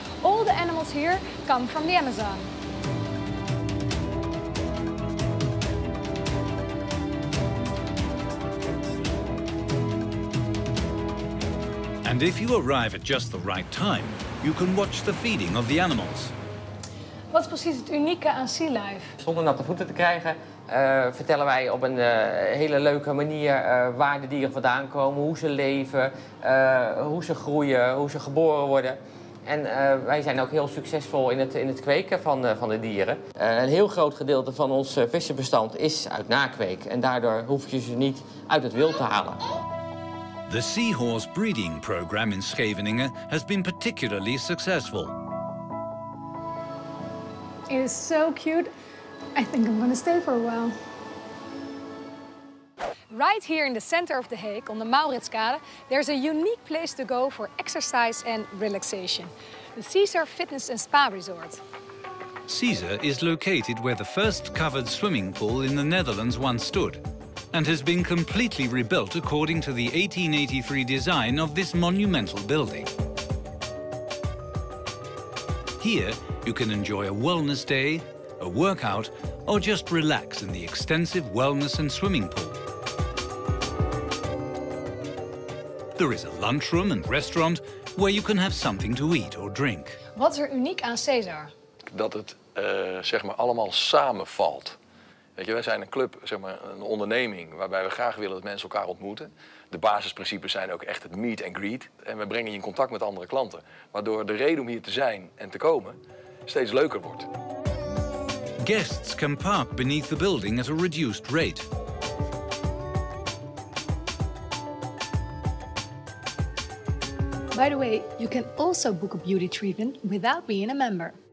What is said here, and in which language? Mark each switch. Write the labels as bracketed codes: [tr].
[en] All the animals here come from the Amazon. And if you arrive at just the right time, you can watch the feeding of the animals. [nl] Wat is precies het unieke aan sea life? Zonder natte voeten te krijgen. Vertellen wij op een hele leuke manier waar de dieren vandaan komen, hoe ze leven, hoe ze groeien, hoe ze geboren worden. En wij zijn ook heel succesvol in het kweken van de dieren. Een heel groot gedeelte van ons vissenbestand is uit nakweek en daardoor hoef je ze niet uit het wild te halen. [en] The seahorse breeding program in Scheveningen has been particularly successful. It is so cute. I think I'm gonna stay for a while. Right here in the center of The Hague, on the Mauritskade, there's a unique place to go for exercise and relaxation. The Caesar Fitness and Spa Resort. Caesar is located where the first covered swimming pool in the Netherlands once stood and has been completely rebuilt according to the 1883 design of this monumental building. Here, you can enjoy a wellness day, a workout, or just relax in the extensive wellness and swimming pool. There is a lunchroom and restaurant where you can have something to eat or drink. [nl] Wat is er uniek aan Caesar? Dat het zeg maar allemaal samenvalt. Weet je, wij zijn een club, zeg maar een onderneming waarbij we graag willen dat mensen elkaar ontmoeten. De basisprincipes zijn ook echt het meet and greet en we brengen je in contact met andere klanten, waardoor de reden om hier te zijn en te komen steeds leuker wordt. [en] Guests can park beneath the building at a reduced rate. By the way, you can also book a beauty treatment without being a member.